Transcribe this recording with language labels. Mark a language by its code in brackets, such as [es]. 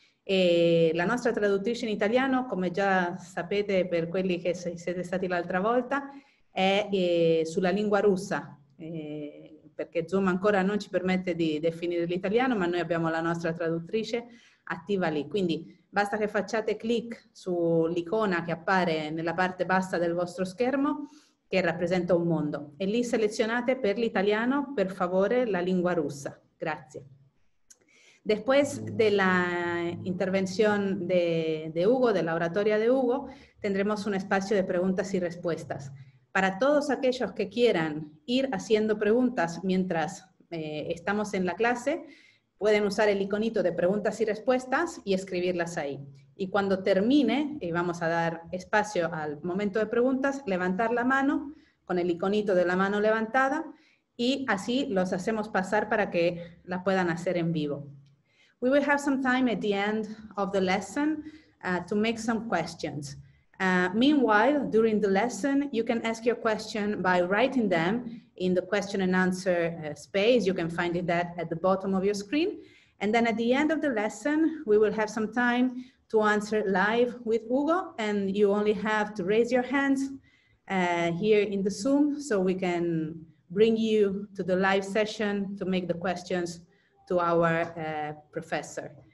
[it] E la nostra traduttrice in italiano, come già sapete per quelli che siete stati l'altra volta, è sulla lingua russa, perché Zoom ancora non ci permette di definire l'italiano, ma noi abbiamo la nostra traduttrice attiva lì. Quindi basta che facciate clic sull'icona che appare nella parte bassa del vostro schermo, che rappresenta un mondo. E lì selezionate per l'italiano, per favore, la lingua russa. Grazie. [es] Después de la intervención de Hugo, de la oratoria de Hugo, tendremos un espacio de preguntas y respuestas. Para todos aquellos que quieran ir haciendo preguntas mientras estamos en la clase, pueden usar el iconito de preguntas y respuestas y escribirlas ahí. Y cuando termine, y vamos a dar espacio al momento de preguntas, levantar la mano con el iconito de la mano levantada y así los hacemos pasar para que la puedan hacer en vivo. [en] We will have some time at the end of the lesson to make some questions. Meanwhile, during the lesson, you can ask your question by writing them in the question and answer space. You can find that at the bottom of your screen. And then at the end of the lesson, we will have some time to answer live with Hugo, and you only have to raise your hands here in the Zoom so we can bring you to the live session to make the questions to our professor.